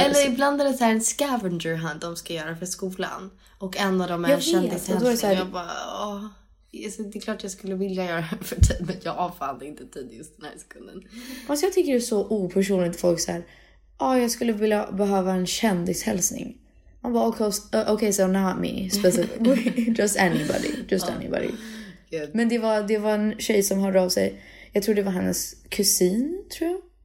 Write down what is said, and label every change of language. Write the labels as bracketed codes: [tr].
[sv] Eller ibland är det så här en scavenger hunt de ska göra för skolan. Och en av dem är kändishälsning. Jag bara, åh. Det är klart att jag skulle vilja göra det för tid, men jag avfallde inte tid just den här sekunden. Alltså jag tycker det är så opersonligt folk så här, ja, jag skulle vilja behöva en kändishälsning. Man bara, [en] okay, so not me specifically, just anybody. Good. [sv] Men det var en tjej som hörde av sig, jag tror det var hennes kusin, tror jag.